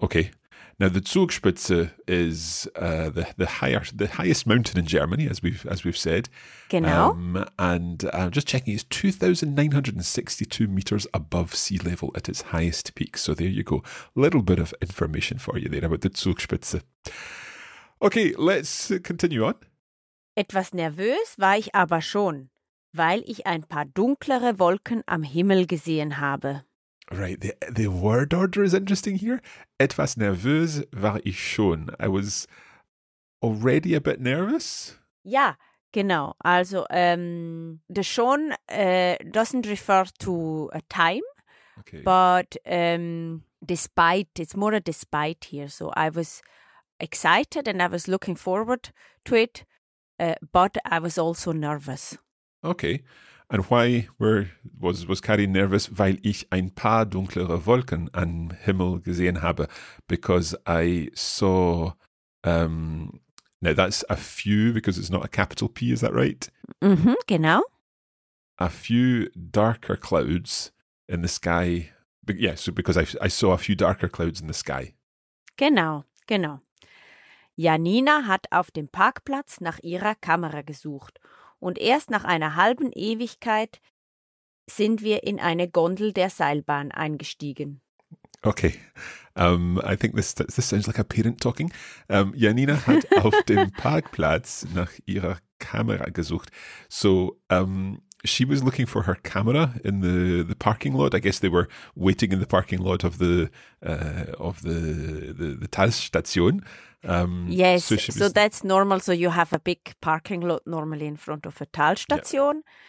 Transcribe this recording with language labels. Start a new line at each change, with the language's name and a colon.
English: Okay, now the Zugspitze is the highest mountain in Germany, as we've said. Genau. And I'm just checking, it's 2,962 meters above sea level at its highest peak. So there you go. Little bit of information for you there about the Zugspitze. Okay, let's continue on.
German: Etwas nervös war ich aber schon, weil ich ein paar dunklere Wolken am Himmel gesehen habe.
English: Right, the word order is interesting here.
German: Etwas nervös war ich schon.
English: I was already a bit nervous.
German: Ja, genau.
English: Also, the schon doesn't refer to a time, okay. But despite, it's more a despite here. So I was excited and I was looking forward to it, but I was also nervous. Okay. And why was Carrie nervous? Weil ich ein paar dunklere Wolken am Himmel gesehen habe. Because I saw... now, that's a few, because it's not a capital P, is that right?
German: Mm-hmm, genau.
English: A few darker clouds in the sky. But yeah, so because I saw a few darker clouds in the sky.
German: Genau, genau. Janina hat auf dem Parkplatz nach ihrer Kamera gesucht. Und erst nach einer halben Ewigkeit sind wir in eine Gondel der Seilbahn eingestiegen.
English: Okay, I think this sounds like a parent talking.
German: Janina hat auf dem Parkplatz nach ihrer Kamera gesucht.
English: So, she was looking for her camera in the parking lot. I guess they were waiting in the parking lot of the Talstation. Yes, so that's normal. So you have a big parking lot normally in front of a Talstation. Yeah.